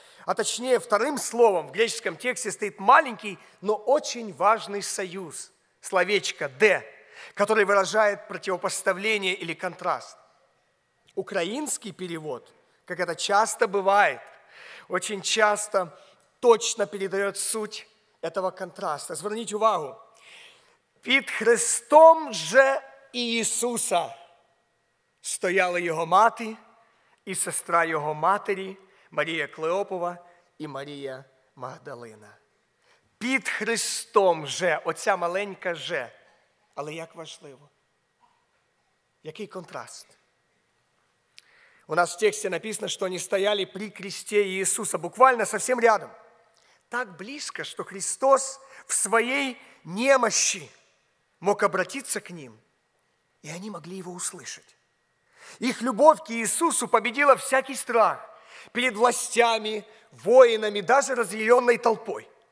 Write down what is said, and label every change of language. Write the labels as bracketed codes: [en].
[ru] А точнее, вторым словом в греческом тексте стоит маленький, но очень важный союз, словечко «де», который выражает противопоставление или контраст. Украинский перевод, как это часто бывает, очень часто точно передает суть этого контраста. [uk] Зверніть увагу. «Під Христом же Иисуса стояла Його мати і сестра Його матері, Марія Клеопова і Марія Магдалина». Під Христом же, оця маленька же. Але як важливо. Який контраст. [ru] У нас в тексте написано, что они стояли при кресте Иисуса, буквально совсем рядом. Так близко, что Христос в своей немощи мог обратиться к ним, и они могли его услышать. Их любовь к Иисусу победила всякий страх перед властями, воинами, даже разъяренной толпой.